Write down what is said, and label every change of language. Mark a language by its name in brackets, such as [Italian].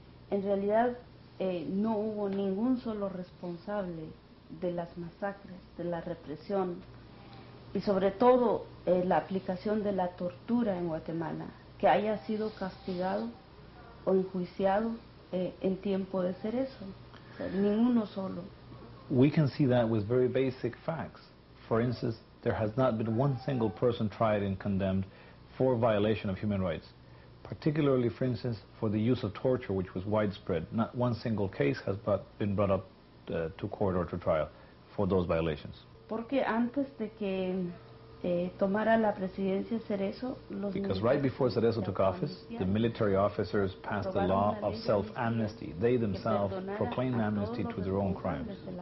[Spanish] En realidad no hubo ningún solo responsable de las masacres, de la represión y sobre todo la aplicación de la tortura en Guatemala, que haya sido castigado o enjuiciado en tiempo de hacer eso. O sea, ninguno solo. [English] We can see that with very basic facts. For instance, there has not been one single person tried and condemned for violation of human rights, particularly, for instance, for the use of torture, which was widespread. Not one single case has been brought up to court or to trial for those violations. [Spanish] Porque antes de que tomara la presidencia Cerezo, los [English] Because right before Cerezo took office, the military officers passed the law of self-amnesty. They themselves proclaimed amnesty to their own crimes.